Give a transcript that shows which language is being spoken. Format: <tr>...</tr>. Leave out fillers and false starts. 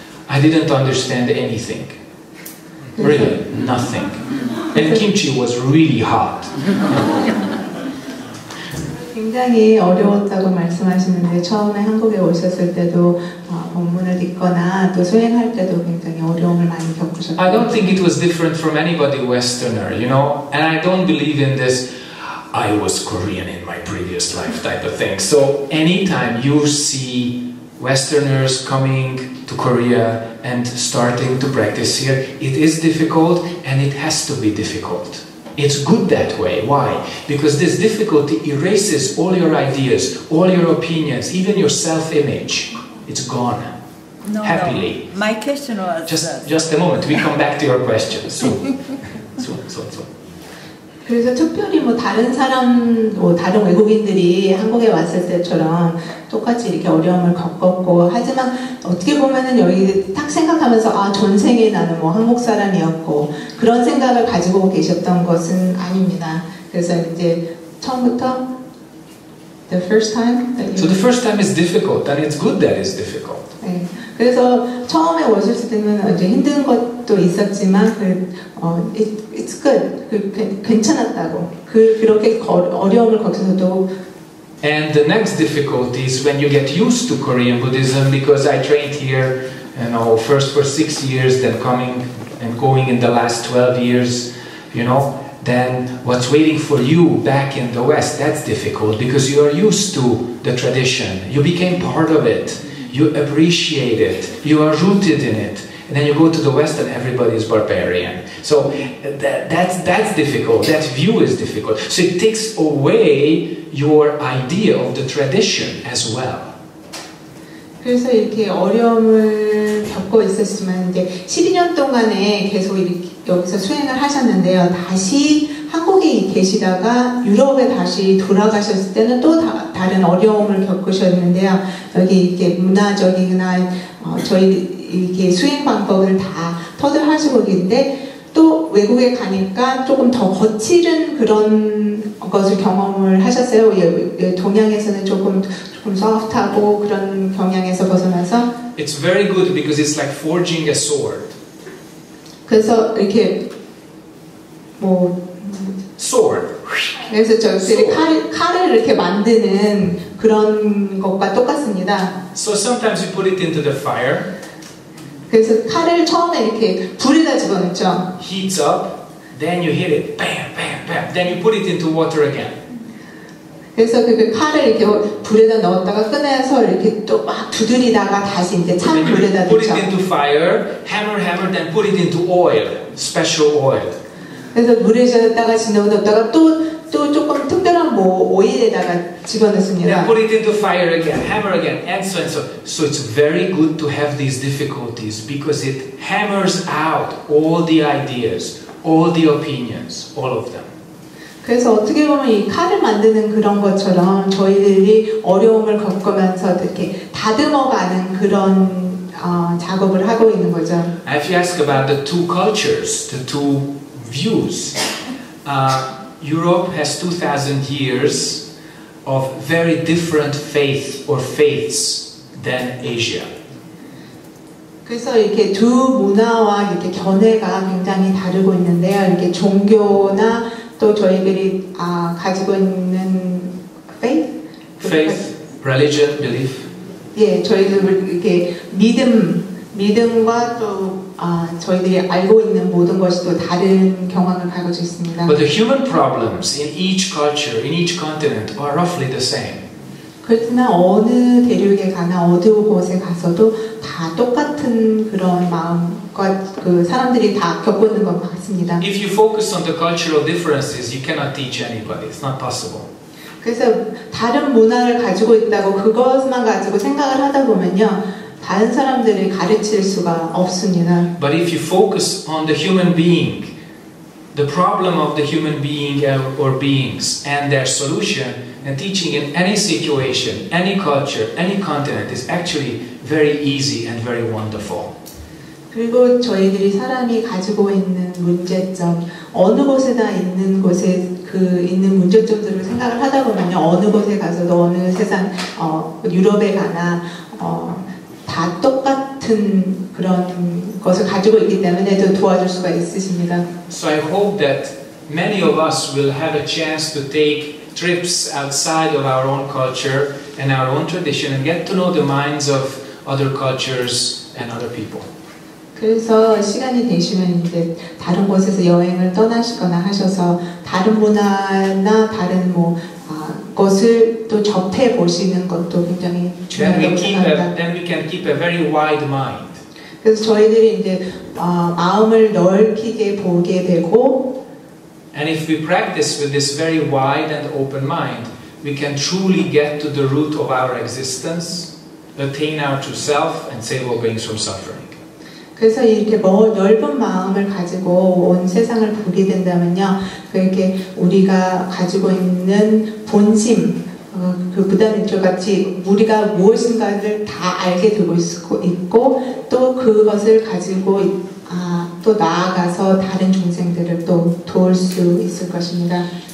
<en>I didn't understand anything. Really, nothing. And kimchi was really hot.</en> <ko>굉장히 어려웠다고 말씀하시는데 처음에 한국에 오셨을 때도 본문을 듣거나 또 수행할 때도 굉장히 어려움을 많이 겪으셨어요.</ko> <en>I don't think it was different from anybody Westerner, you know. And I don't believe in this I was Korean in my previous life type of thing. So anytime you see Westerners coming to Korea and starting to practice here, it is difficult and it has to be difficult. It's good that way. Why? Because this difficulty erases all your ideas, all your opinions, even your self-image. It's gone. No, happily. No. My question was... Just a moment. We come back to your question. Soon.</en> <ko>그래서 특별히 뭐 다른 사람, 뭐 다른 외국인들이 한국에 왔을 때처럼 똑같이 이렇게 어려움을 겪었고 하지만 어떻게 보면은 여기 딱 생각하면서 아 전생에 나는 뭐 한국 사람이었고 그런 생각을 가지고 계셨던 것은 아닙니다. 그래서 이제 처음부터</ko> <en>the first time is difficult and it's good that it's difficult.</en> <ko>네. 그래서 처음에 오실 때는 아주 힘든 것도 있었지만</ko> <en>it's good.</en> <ko>괜찮았다고. 그렇게 어려움을 거쳐서도.</ko> <en>And the next difficulty is when you get used to Korean Buddhism, because I trained here, you know, first for 6 years, then coming and going in the last 12 years, you know, then what's waiting for you back in the West, that's difficult, because you are used to the tradition. You became part of it. You appreciate it. You are rooted in it. And then you go to the West and everybody is barbarian. So that's difficult. That view is difficult. So it takes away your idea of the tradition as well.</en> <ko>그래서 이렇게 어려움을 겪고 있었지만 이제 12년 동안에 계속 이렇게 여기서 수행을 하셨는데요. 다시 한국에 계시다가 유럽에 다시 돌아가셨을 때는 또 다른 어려움을 겪으셨는데요. 여기 이렇게 문화적이거나 저희 이렇게 수행 방법을 다 터득하시고 있는데 또 외국에 가니까 조금 더 거칠은 그런 것을 경험을 하셨어요. 동양에서는 조금 소프트하고 그런 경향에서 벗어나서.</ko> <en>It's very good because it's like forging a sword.</en> <ko>그래서 이렇게 뭐</ko> <en>sword.</en> <ko>그래서 저희들이 칼을 이렇게 만드는 그런 것과 똑같습니다.</ko> <en>So sometimes you put it into the fire.</en> <ko>그래서 칼을 처음에 이렇게 불에다 집어넣죠.</ko> <en>Heats up. Then you hit it, bam, bam, bam. Then you put it into water again.</en> <ko>그래서 그 칼을 이렇게 불에다 넣었다가 꺼내서 이렇게 또 막 두드리다가 다시 이제 찬 불에다 넣죠.</ko> <en>Then you put it into fire, hammer, hammer, then put it into oil, special oil.</en> <ko>그래서 물에 젖었다가 진동했다가 또 조금 특별한 뭐 오일에다가 집어넣습니다.</ko> <en>Then put it into fire again, hammer again, and so and so. So it's very good to have these difficulties because it hammers out all the ideas. All the opinions, all of them.</en> <ko>그래서 어떻게 보면 이 칼을 만드는 그런 것처럼 저희들이 어려움을 겪으면서 이렇게 다듬어가는 그런 작업을 하고 있는 거죠.</ko> <en>If you ask about the two cultures, the two views, Europe has 2,000 years of very different faith or faiths than Asia.</en> <ko>그래서 이렇게 두 문화와 이렇게 견해가 굉장히 다르고 있는데요. 이렇게 종교나 또 저희들이 가지고 있는 faith,</ko> <en>religion, belief.</en> <ko>예, 저희들 이렇게 믿음과 또 저희들이 알고 있는 모든 것이 또 다른 경향을 가지고 있습니다.</ko> <en>But the human problems in each culture, in each continent, are roughly the same.</en> <ko>그렇지만 어느 대륙에 가나 어느 곳에 가서도 다 똑같은 그런 마음과 그 사람들이 다 겪고 있는 것 같습니다.</ko> <en>If you focus on the cultural differences, you cannot teach anybody. It's not possible.</en> <ko>그래서 다른 문화를 가지고 있다고 그것만 가지고 생각을 하다 보면요, 다른 사람들을 가르칠 수가 없습니다.</ko> <en>But if you focus on the human being, the problem of the human being or beings and their solution. And teaching in any situation, any culture, any continent is actually very easy and very wonderful.</en> <ko>그리고 저희들이 사람이 가지고 있는 문제점, 어느 곳에나 있는 곳에 그 있는 문제점들을 생각을 하다 보면요, 어느 곳에 가서도 어느 세상, 유럽에 가나 다 똑같은 그런 것을 가지고 있기 때문에 또 도와줄 수가 있으십니다.</ko> <en>So I hope that many of us will have a chance to take trips outside of our own culture and our own tradition and get to know the minds of other cultures and other people.</en> <ko>그래서 시간이 되시면 이제 다른 곳에서 여행을 떠나시거나 하셔서 다른 문화나 다른 뭐 것을 또 접해 보시는 것도 굉장히 중요합니다.</ko> <en>Then we can keep a very wide mind.</en> <ko>그래서 저희들이 이제 마음을 넓게 보게 되고</ko> <en>And if we practice with this very wide and open mind, we can truly get to the root of our existence, attain our true self, and save all beings from suffering.</en> <ko>그래서 이렇게 넓은 마음을 가지고 온 세상을 보게 된다면요, 그렇게 우리가 가지고 있는 본심, 그 부단히 저 같이 우리가 무엇인가를 다 알게 되고 있고 또 그것을 가지고 또 나아가서 다른 종생들을 또 도울 수 있을 것입니다.</ko>